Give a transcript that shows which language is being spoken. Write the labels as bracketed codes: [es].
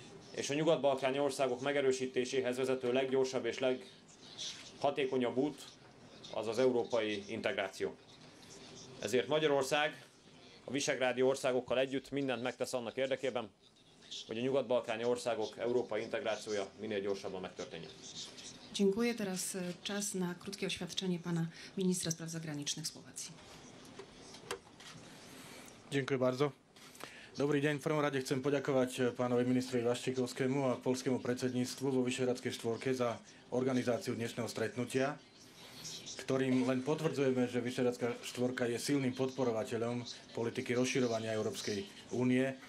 [hu] És a nyugat-balkáni országok megerősítéséhez vezető leggyorsabb és leghatékonyabb út az az európai integráció. Ezért Magyarország a visegrádi országokkal együtt mindent megtesz annak érdekében, hogy a nyugat-balkáni országok európai integrációja minél gyorsabban megtörténjen. [pl] Dziękuję. Teraz czas na krótkie oświadczenie pana ministra spraw zagranicznych Słowacji. Dziękuję bardzo. [sk] Dobrý deň. V prvom rade chcem poďakovať pánovi ministrovi Waszczykowskiemu a polskému predsedníctvu vo Vyšehradskej štvorke za organizáciu dnešného stretnutia, ktorým len potvrdzujeme, že Vyšehradská štvorka je silným podporovateľom politiky rozširovania Európskej únie.